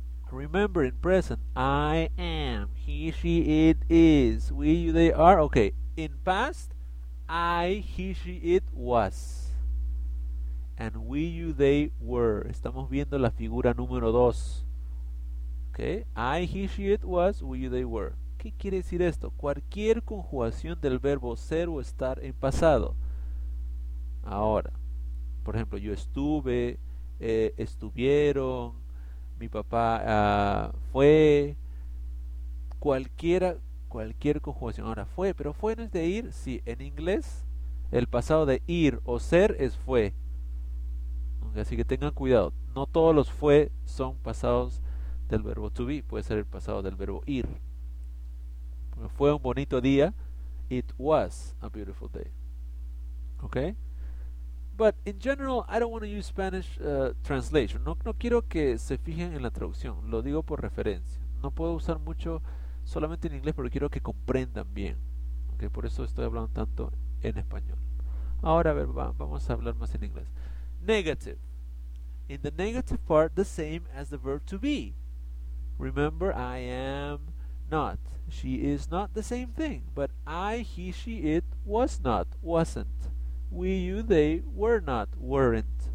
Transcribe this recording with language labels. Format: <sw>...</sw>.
<en>Remember, in present, I am, he, she, it, is, we, you, they are, okay. In past, I, he, she, it, was. And we, you, they were.</en> <es>Estamos viendo la figura número dos.</es> <en>Okay? I, he, she, it, was, we, you, they were.</en> <es>¿Qué quiere decir esto? Cualquier conjugación del verbo ser o estar en pasado. Ahora. Por ejemplo, yo estuve, estuvieron, mi papá fue, cualquier conjugación. Ahora, fue, pero fue no es de ir, sí, en inglés el pasado de ir o ser es fue. Así que tengan cuidado, no todos los fue son pasados del verbo to be, puede ser el pasado del verbo ir. Fue un bonito día,</es> <en>it was a beautiful day. ¿Ok? But in general, I don't want to use Spanish translation.</en> <es>No quiero que se fijen en la traducción. Lo digo por referencia. No puedo usar mucho solamente en inglés, pero quiero que comprendan bien. Okay, por eso estoy hablando tanto en español. Ahora, a ver, vamos a hablar más en inglés.</es> <en>Negative. In the negative part, the same as the verb to be. Remember, I am, not, she is not the same thing, but I, he, she, it, was not, wasn't, we, you, they, were not, weren't.</en>